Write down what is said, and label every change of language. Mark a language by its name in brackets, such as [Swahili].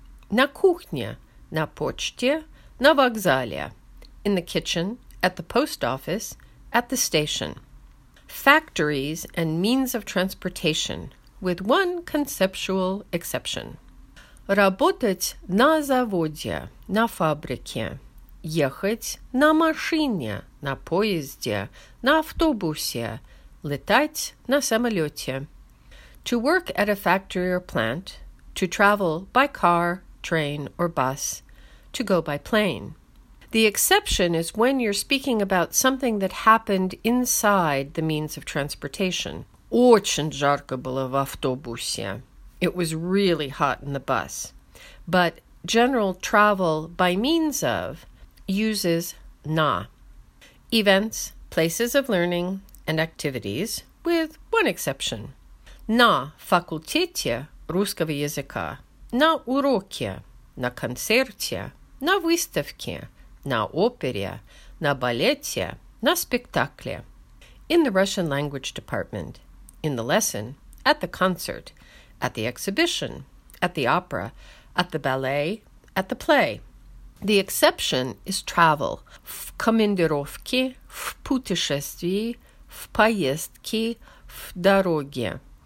[Russian] Na kuchnya, na pochte, na vokzalie. [English] In the kitchen, at the post office, at the station. Factories and means of transportation, with one conceptual exception. [Russian] Rabotat na zavodye, na fabrike. Ехать на машине, на поезде, на автобусе. Летать на самолете. [English] To work at a factory or plant, to travel by car, train, or bus, to go by plane. The exception is when you're speaking about something that happened inside the means of transportation. [Russian] Очень жарко было в автобусе. [English] It was really hot in the bus. But general travel by means of uses na. Events, places of learning, and activities, with one exception. [Russian] На факультете русского языка, на уроке, на концерте, на выставке, на опере, на балете, на спектакле. [English] In the Russian language department, in the lesson, at the concert, at the exhibition, at the opera, at the ballet, at the play. The exception is travel. [Russian] В командировке, в путешествии, в поездке, в дороге.